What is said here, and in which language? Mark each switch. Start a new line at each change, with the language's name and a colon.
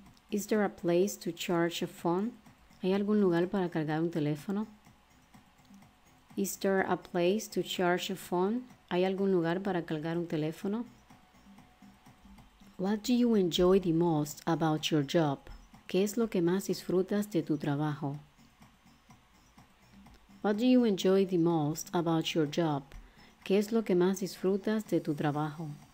English: Is there a place to charge a phone?
Spanish: ¿Hay algún lugar para cargar un teléfono?
English: Is there a place to charge a phone?
Spanish: ¿Hay algún lugar para cargar un teléfono?
English: What do you enjoy the most about your job?
Spanish: ¿Qué es lo que más disfrutas de tu trabajo?
English: What do you enjoy the most about your job?
Spanish: ¿Qué es lo que más disfrutas de tu trabajo?